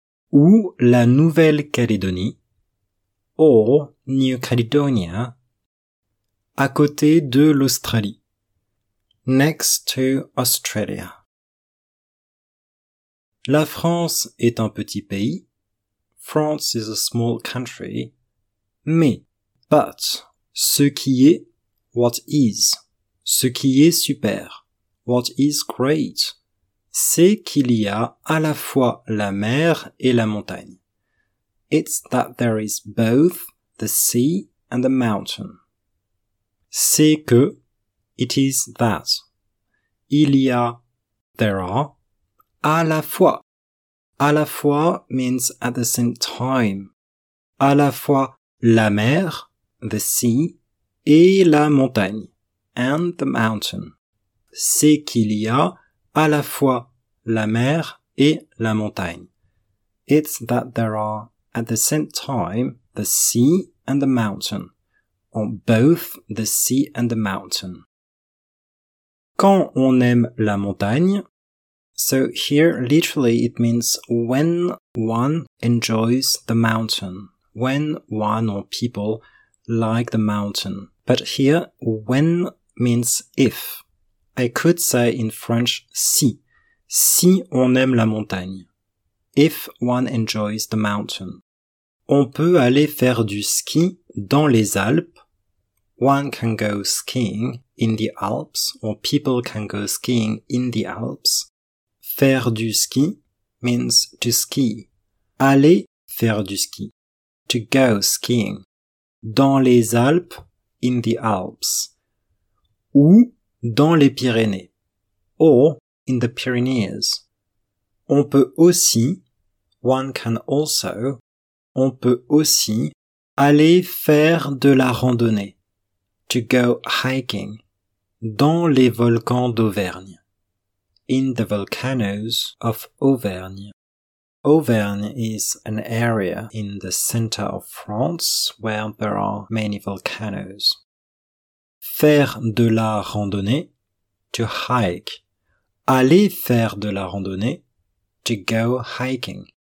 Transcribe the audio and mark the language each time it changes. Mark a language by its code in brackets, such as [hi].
[fr] Ou la Nouvelle-Calédonie, [en] or New Caledonia, [fr] à côté de l'Australie. [en] Next to Australia. [fr] La France est un petit pays. [en] France is a small country. [fr] Mais, [en] but, [fr] ce qui est, [en] what is, [fr] ce qui est super, [en] what is great, [fr] c'est qu'il y a à la fois la mer et la montagne. [en] It's that there is both the sea and the mountain. [fr] C'est que, [en] it is that. [fr] Il y a, [en] there are, [fr] à la fois. À la fois [en] means at the same time. [fr] À la fois la mer, [en] the sea, [fr] et la montagne, [en] and the mountain. [fr] C'est qu'il y a à la fois la mer et la montagne. [en] It's that there are at the same time the sea and the mountain, or both the sea and the mountain. [fr] Quand on aime la montagne, [en] so here literally it means when one enjoys the mountain, when one or people like the mountain. But here, when means if. I could say in French, si. [fr] Si on aime la montagne. [en] If one enjoys the mountain. [fr] On peut aller faire du ski dans les Alpes. [en] One can go skiing in the Alps, or people can go skiing in the Alps. [fr] Faire du ski [en] means to ski. [fr] Aller faire du ski. [en] To go skiing. [fr] Dans les Alpes, [en] in the Alps. [fr] Ou dans les Pyrénées. [en] Or in the Pyrenees. [fr] On peut aussi, [en] one can also, [fr] on peut aussi aller faire de la randonnée. [en] To go hiking. [fr] Dans les volcans d'Auvergne. [en] In the volcanoes of Auvergne. Auvergne is an area in the center of France where there are many volcanoes. [fr] Faire de la randonnée, [en] to hike. [fr] Aller faire de la randonnée, [en] to go hiking.